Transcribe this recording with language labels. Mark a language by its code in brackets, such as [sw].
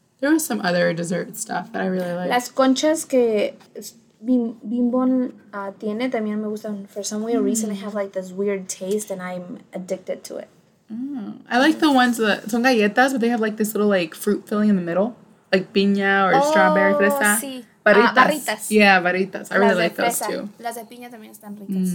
[en] There was some other dessert stuff that I really liked. [es] Las conchas que Bimbon tiene también me gustan. [en] For some weird reason, they have, like, this weird taste and I'm addicted to it. Oh, I like the ones that son galletas, but they have like this little like fruit filling in the middle, like piña or strawberry fresa. [es] Sí. [en] Barritas. Yeah, barritas. I really like those too. [es] Las de piña también están ricas.